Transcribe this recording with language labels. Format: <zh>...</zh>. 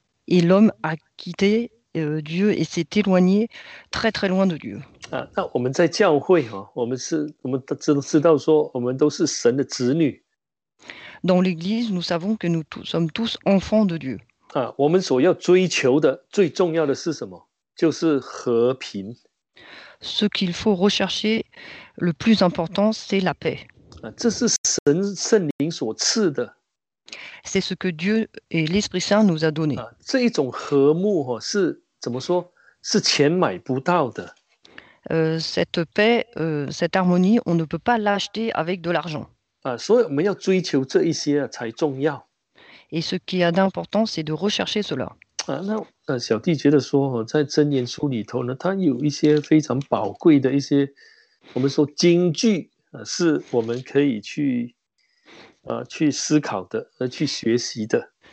<fr>Et l'homme a quitté Dieu et s'est éloigné très très loin de Dieu.</fr> <zh>啊、那我们在教会、啊、我们知道说我们都是神的子女。</zh> <fr>Dans l'église, nous savons que nous sommes tous enfants de Dieu.、</fr> <zh>啊、我们所要追求的最重要的是什么？就是和平。</zh> <fr>Ce qu'il faut rechercher le plus important, c'est la paix.、</fr> <zh>啊、这是神圣灵所赐的。</zh> <fr>C'est ce que Dieu et l'Esprit Saint nous a donné.</fr> <zh>这一种和睦是怎么说？是钱买不到的。</zh> <fr>Cette paix, cette harmonie, on ne peut pas l'acheter avec de l'argent.</fr> <zh>所以我们要追求这一些才重要。</zh> <fr>Et ce qui a d'importance, c'est de rechercher cela.</fr> <zh>那小弟觉得说，在箴言书里头呢，它有一些非常宝贵的一些，我们说金句，是我们可以去思考的，去学习的。</zh>